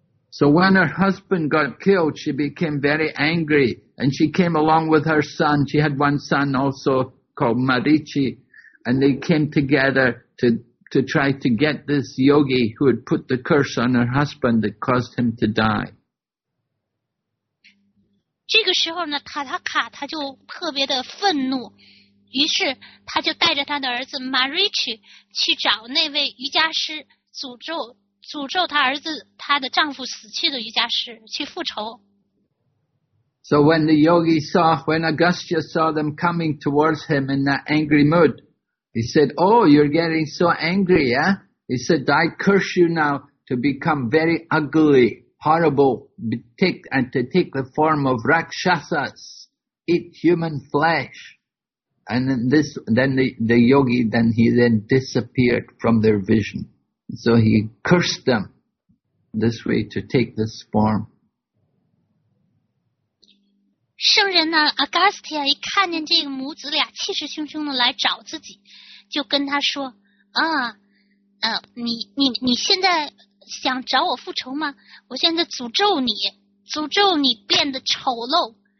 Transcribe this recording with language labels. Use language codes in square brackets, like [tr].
[en] So when her husband got killed, she became very angry, and she came along with her son. She had one son also called Marichi, and they came together to try to get this yogi who had put the curse on her husband that caused him to die. [zh] 这个时候呢，塔塔卡他就特别的愤怒，于是他就带着他的儿子 Marichi 去找那位瑜伽师诅咒他儿子他的丈夫死去的瑜伽师去复仇。 [en] So when the yogi saw, when Agastya saw them coming towards him in that angry mood, he said, oh, you're getting so angry, yeah? He said, I curse you now to become very ugly, horrible, and to take the form of rakshasas, eat human flesh. And then the yogi disappeared from their vision. So he cursed them this way to take this form. [zh] 圣人呢 ,Agastya 一看见这个母子俩气势汹汹的来找自己，就跟他说啊你现在想找我复仇吗？我现在诅咒你变得丑陋。